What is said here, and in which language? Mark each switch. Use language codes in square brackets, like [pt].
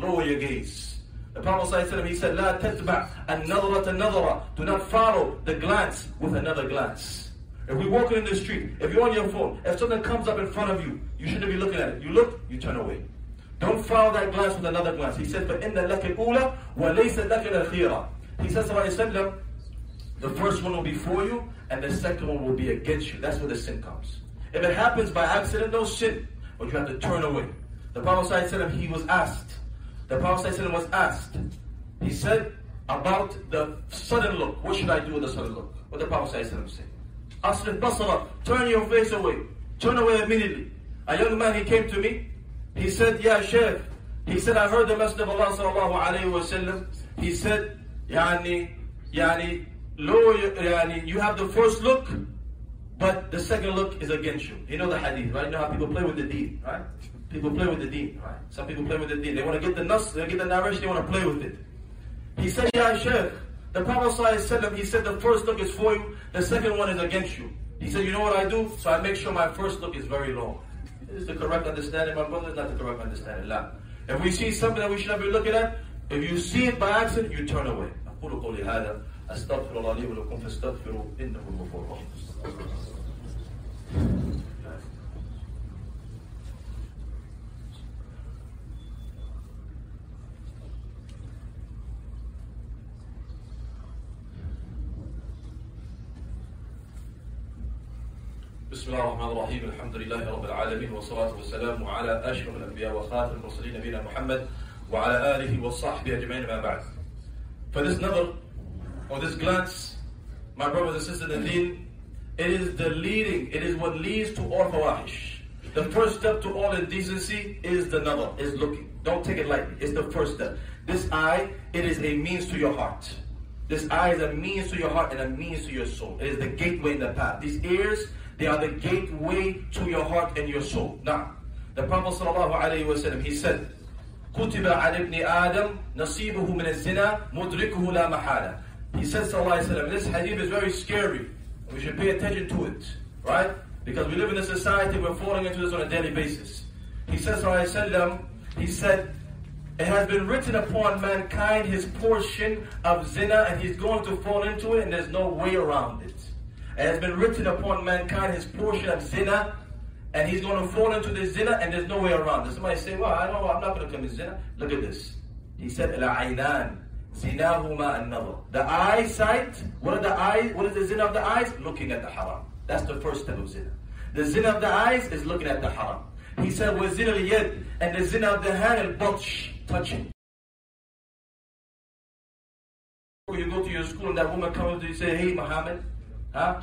[en] Lower your gaze. The Prophet ﷺ, he said, [ar] La tatba' an-nadrata nadra. [en] Do not follow the glance with another glance. If we're walking in the street, if you're on your phone, if something comes up in front of you, you shouldn't be looking at it. You look, you turn away. Don't follow that glance with another glance. He said, [ar] فَإِنَّ لَكَ الْأُولَى وَلَيْسَ لَكَ الْأَخِيرَ. [en] He says, the first one will be for you, and the second one will be against you. That's where the sin comes. If it happens by accident, no sin. But you have to turn away. The Prophet ﷺ, he was asked. The Prophet ﷺ was asked. He said, about the sudden look. What should I do with the sudden look? What the Prophet ﷺ said? [ar] Aslif basara, [en] turn your face away. Turn away immediately. A young man, he came to me. He said, Ya Sheikh. He said, I heard the Messenger of Allah sallallahu alayhi wa sallam. He said, you have the first look, but the second look is against you. You know the hadith, right? You know how people play with the deen, right? People play with the deen, right? Some people play with the deen. They want to get the nas, they get the narration, they want to play with it. He said, Ya Sheikh, the Prophet ﷺ, he said the first look is for you, the second one is against you. He said, you know what I do? So I make sure my first look is very long. This is the correct understanding, my brother, not the correct understanding. La. If we see something that we should not be looking at, if you see it by accident, you turn away. [ar] أستغفر الله لي ولكم فاستغفروا إنه الغفور الرحيم. بسم الله الرحمن الرحيم الحمد لله رب العالمين والصلاة والسلام على أشرف الأنبياء وخاتم المرسلين نبينا محمد وعلى آله وصحبه أجمعين ما بعد. [en] For this nazar or this glance, my brothers and sisters in deen, it is the leading, it is what leads to all fawahish. The first step to all indecency is the nazar, is looking. Don't take it lightly. It's the first step. This eye, it is a means to your heart. This eye is a means to your heart and a means to your soul. It is the gateway in the path. These ears, they are the gateway to your heart and your soul. Now, the Prophet sallallahu alayhi wa sallam, he said, [ar] كُتِبَ عَلِ ابْنِ آدَمْ نَصِيبُهُ مِنَ الزِّنَا مُدْرِكُهُ لَا مَحَالَ. [en] He says, sallallahu alayhi wa sallam, this hadith is very scary. We should pay attention to it, right? Because we live in a society, we're falling into this on a daily basis. He says, sallallahu alayhi wa sallam, he said, it has been written upon mankind his portion of zina, and he's going to fall into it, and there's no way around it. It has been written upon mankind his portion of zina, and he's going to fall into this zina, and there's no way around it. Somebody say, well, I don't know, I'm not going to commit zina. Look at this. He said, [ar] الْعَيْنَانِ زِنَاهُمَا النَّظَرُ. [en] The eyesight, what are the eyes? What is the zina of the eyes? Looking at the haram. That's the first step of zina. The zina of the eyes is looking at the haram. He said, with zina al-yad, and the zina of the hand, al-batsh, touching. You go to your school and that woman comes to you and say, hey, Muhammad. Huh?